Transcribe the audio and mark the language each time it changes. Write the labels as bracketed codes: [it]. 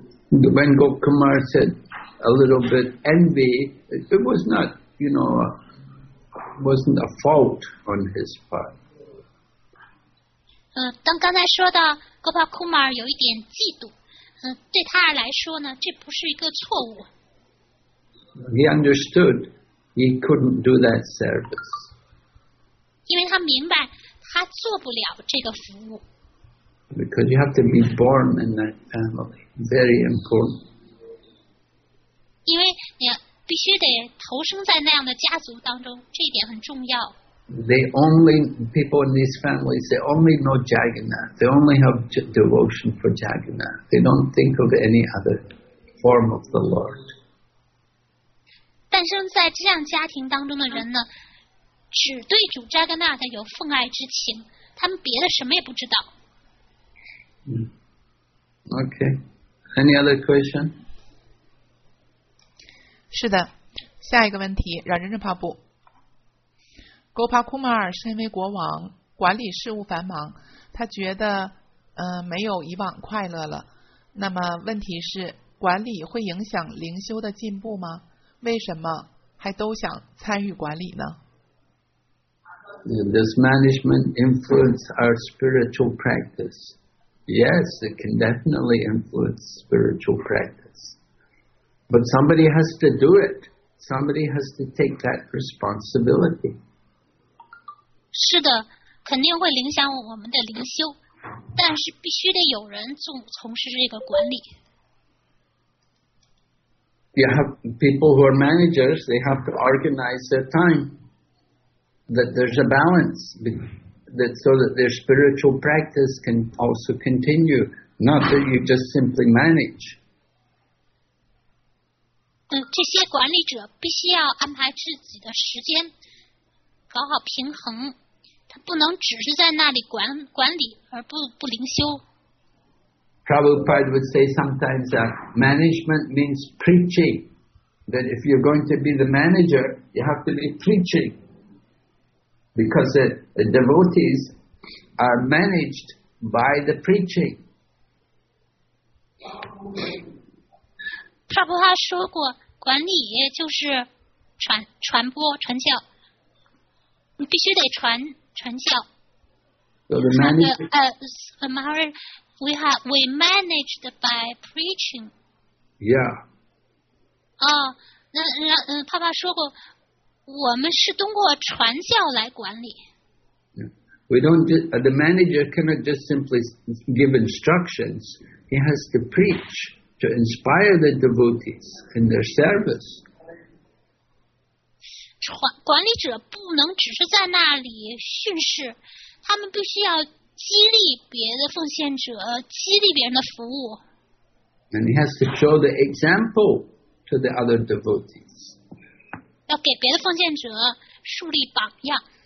[en] When Gop Kumar said a little bit envy, it was not, you know, wasn't a fault on his part. [zh] 当刚才说到 Gop Kumar 有一点嫉妒，对他来说呢，这不是一个错误。 [en] He understood he couldn't do that service. [zh] 因为他明白他做不了这个服务。 [en] Because you have to be born in that family. Very important. [zh] 因为你必须得投生在那样的家族当中，这一点很重要。 [en] They only, people in these families, they only know Jagannath. They only have devotion for Jagannath. They don't think of any other form of the Lord. [zh] 诞生在这样家庭当中的人呢，只对主扎格纳特有奉爱之情，他们别的什么也不知道。 [en] Okay. Any other question? [zh] 是的，下一个问题，让人人帕布。Gopa Kumar 身为国王，管理事务繁忙，他觉得没有以往快乐了。那么问题是，管理会影响灵修的进步吗？为什么还都想参与管理呢？ [en] Does management influence our spiritual practice? Yes, it can definitely influence spiritual practice. But somebody has to do it. Somebody has to take that responsibility. [zh] 是的，肯定会影响我们的灵修，但是必须得有人从事这个管理。 [en] You have people who are managers, they have to organize their time. That there's a balance between. That so that their spiritual practice can also continue, not that you just simply manage. [zh] 这些管理者必须要安排自己的时间，搞好平衡。他不能只是在那里管理而不灵修。 [en] Prabhupada would say sometimes that management means preaching. That if you're going to be the manager, you have to be preaching. Because the devotees are managed by the preaching. [zh] Prabhupada 说过，管理就是传播传教，你必须得传教。 [en] So the manager, we managed by preaching. Yeah. [zh] Prabhupada 说过。我们是通过传教来管理。 [en] We don't just, the manager cannot just simply give instructions. He has to preach to inspire the devotees in their service. [zh] 管理者不能只是在那里训示，他们必须要激励别的奉献者，激励别人的服务。 [en] And he has to show the example to the other devotees. [zh] 要给别的奉献者树立榜样。